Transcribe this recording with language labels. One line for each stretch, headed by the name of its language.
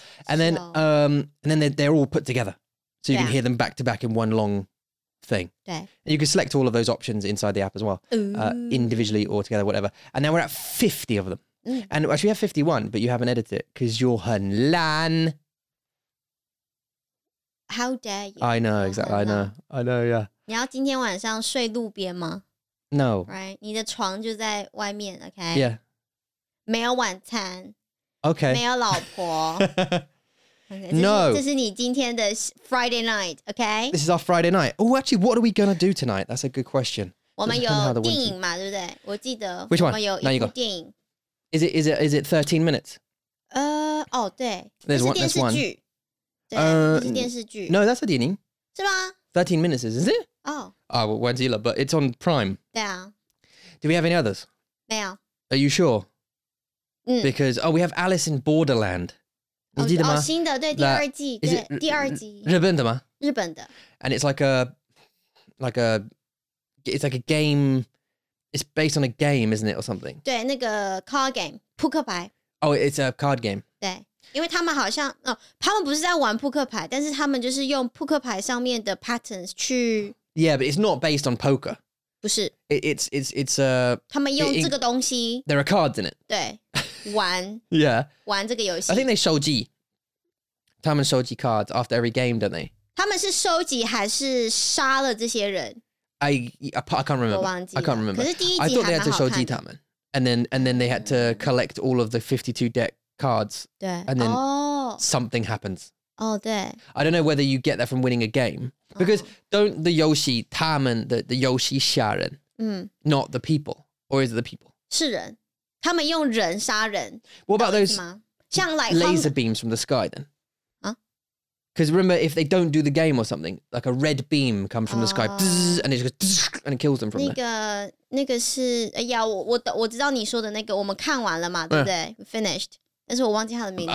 English: And then, and then they're all put together. So you can hear them back to back in one long thing. And you can select all of those options inside the app as well, individually or together, whatever. And now we're at 50 of them. And actually we have 51, but you haven't edited it because you're
Chinese: 很懒.
English: How dare you? I know, exactly. I know, yeah.
Chinese: 你要今天晚上睡路边吗?
English: No. Right?
Chinese: 你的床就在外面,
English: okay? Yeah.
Chinese: 没有晚餐。
English: Okay.
Chinese: 没有老婆。
English: okay, no.
Chinese: 这是你今天的
English: Friday night, okay? This is our Friday night. Oh, actually, what are we going to do tonight? That's a good question.
Chinese: 我们有电影嘛, 对不对?我记得。
English: Which one?
Chinese: 我们有一部电影。
English: Is it 13 minutes?
Chinese: 对。
English: There's one.
Chinese: 是电视剧。对,不是电视剧。
English: No, that's a
Chinese: 电影。是吗?
English: 13 minutes, is it? Oh. Ah, well, Wanzilla, but it's on Prime. Yeah. Do we have any others? No. Are you sure? Because, we have Alice in Borderland.
Chinese: Oh, 你记得吗? 新的,对,第二季,对,第二季。日本的吗? 日本的。
English: And it's like a game, it's based on a game, isn't it, or something?
Chinese: 对,那个
English: card game,
Chinese: 扑克牌。
English: Oh, it's a card game.
Chinese: 对。因为他们好像他们不是在玩扑克牌，但是他们就是用扑克牌上面的 patterns 去。
English: Yeah, but it's not based on poker.
Chinese: 不是。
English: It's
Chinese: 他们用这个东西。
English: There are cards in it.
Chinese: 对，玩。
English: Yeah.
Chinese: 玩这个游戏。
English: I think they
Chinese: 收集。 他们收集
English: cards after every game, don't they?
Chinese: 他们是收集还是杀了这些人？
English: I can't remember.
Chinese: 我忘记了。
English: I can't remember.
Chinese: 可是第一集还蛮好看的。
English: I thought they had to
Chinese: 收集他们。
English: And then they had to collect all of the 52 deck cards. And then something happens.
Chinese: Oh, 对.
English: I don't know whether you get that from winning a game. Because don't the Yoshi,
Chinese: 他们,
English: the Yoshi
Chinese: 杀人,
English: not the people. Or is it the people?
Chinese: 是人.他们用人杀人,
English: what about those
Chinese: 像,
English: like, laser beams from the sky then? Because remember, if they don't do the game or something, like a red beam comes from the sky, and it just goes, and it kills them from
Chinese: 那个,
English: there.
Chinese: 那个是, 哎呀, 我知道你说的那个, 我们看完了嘛, 对不对?
English: We finished.
Chinese: 但是我忘记他的名字了。